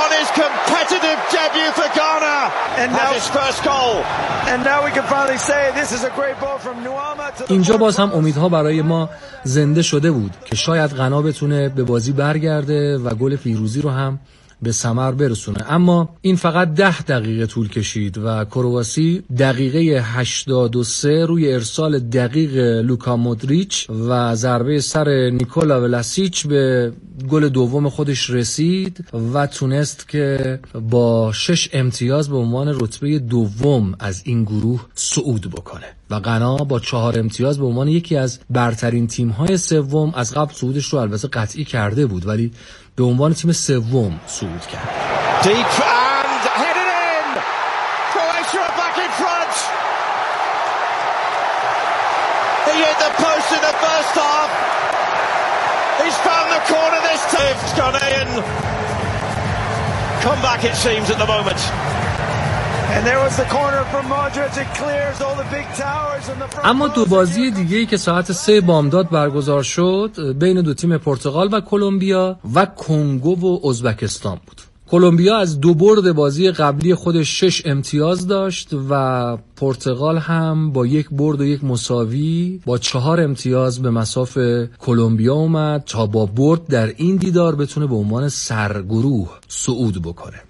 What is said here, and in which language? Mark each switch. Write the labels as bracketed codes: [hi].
[en] Competitive debut for Ghana and now his first goal and now we can finally say this is a great ball from Nuama to [fa] اینجا باز هم امیدها برای ما زنده شده بود که شاید غنا بتونه به بازی برگرده و گل فیروزی رو هم به ثمر برسونه. اما این فقط 10 دقیقه طول کشید و کرواسی دقیقه 83 روی ارسال دقیق لوکا مودریچ و ضربه سر نیکولا ولاسیچ به گل دوم خودش رسید و تونست که با 6 امتیاز به عنوان رتبه دوم از این گروه صعود بکنه و غنا با 4 امتیاز به عنوان یکی از برترین تیم‌های سوم، از قبل صعودش رو البته قطعی کرده بود ولی به عنوان تیم سوم صعود کرد. [en] Deep and headed in. Croatia back in front. He hit the post in the first half. He's found the corner this time. Ghanaian come back it seems at the moment. And there was the corner from Modric. It clears all the big towers and the front. [fa] اما دو بازی دیگه‌ای که ساعت 3 بامداد برگزار شد بین دو تیم پرتغال و کلمبیا و کنگو و ازبکستان بود. کلمبیا از 2 برد بازی قبلی خودش 6 امتیاز داشت و پرتغال هم با 1 برد و 1 مساوی با 4 امتیاز به مساف کلمبیا اومد تا با برد در این دیدار بتونه به عنوان سرگروه صعود بکنه.